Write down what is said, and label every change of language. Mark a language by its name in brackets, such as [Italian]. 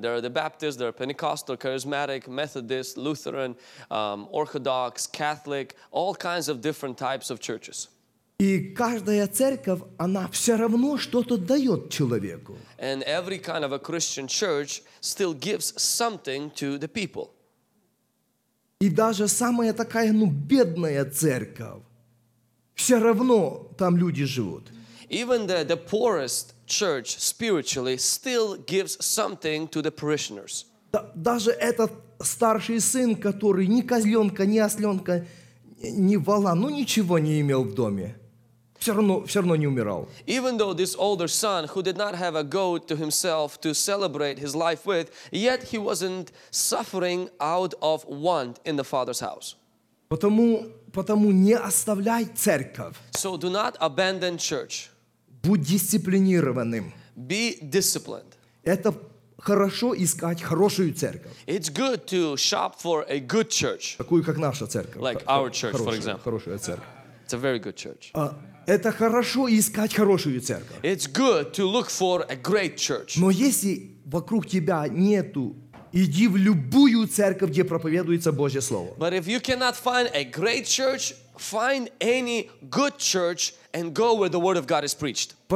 [English] There are the Baptists, there are Pentecostal, Charismatic, Methodist, Lutheran, Orthodox, Catholic, all kinds of different types of churches. [Russian] И каждая церковь, она все равно что-то дает человеку. [English] And every kind of a Christian church still gives something to the people. [Russian] И даже самая такая, бедная церковь, все равно там люди живут. [English] Even the poorest church spiritually still gives something to the parishioners. [Russian] Даже этот старший сын, который ни козленка, ни осленка, ни вола, ничего не имел в доме, все равно не умирал. [English] Even though this older son, who did not have a goat to himself to celebrate his life with, yet he wasn't suffering out of want in the father's house. [Russian] Потому не оставляй церковь. [English] So do not abandon church. [Russian] Будь дисциплинированным. [English] Be disciplined. [Russian] Это хорошо искать хорошую церковь. [English] It's good to shop for a good church. [Russian] Такую, как наша церковь. [English] Like our church, for example. [Russian] Хорошая церковь. [English] It's a very good church. [Russian] Это хорошо искать хорошую церковь. [English] It's good to look for a great church. [Russian] Но если вокруг тебя нету, иди в любую церковь, где проповедуется Божье Слово. [English] But if you cannot find a great church, find any good church and go where the word of God is preached.